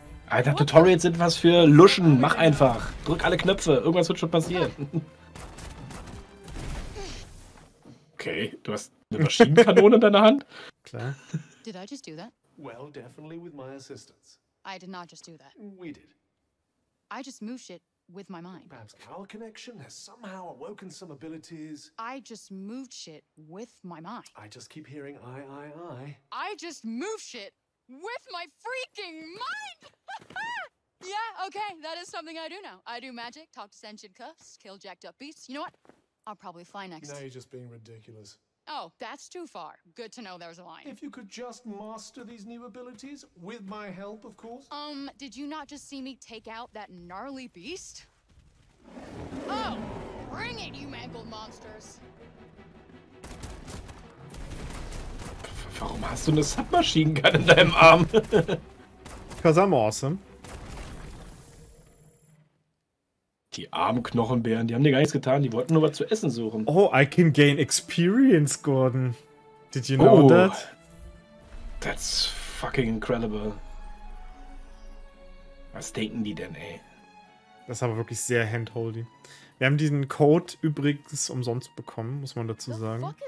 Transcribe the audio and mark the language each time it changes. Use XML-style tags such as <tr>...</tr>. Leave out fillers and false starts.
<de>Alter, Tutorials sind was für Luschen. Mach einfach. Drück alle Knöpfe. Irgendwas wird schon passieren. Okay, du hast eine Maschinenkanone in deiner Hand? Klar.</de> <en>Did I just do that? Well, definitely with my assistance. I did not just do that. We did. I just moved shit with my mind. Perhaps our connection has somehow awoken some abilities. I just moved shit with my mind. I just keep hearing I. I just moved shit with my freaking mind! Yeah, okay, that is something I do know. I do magic, talk to sentient cuffs, kill jacked up beasts. You know what? I'll probably fly next. Now you're just being ridiculous. Oh, that's too far. Good to know there's a line. If you could just master these new abilities, with my help, of course. Did you not just see me take out that gnarly beast? Oh, bring it, you mangled monsters.</en> <de>Warum hast du eine Submaschinengun in deinem Arm?</de> <en>Because I'm awesome.</en> <de>Die armen Knochenbären, die haben dir gar nichts getan, die wollten nur was zu essen suchen.</de> <en>Oh, I can gain experience, Gordon. Did you know that? That's fucking incredible.</en> <de>Was denken die denn, ey? Das ist aber wirklich sehr handholdy. Wir haben diesen Code übrigens umsonst bekommen, muss man dazu sagen.</de>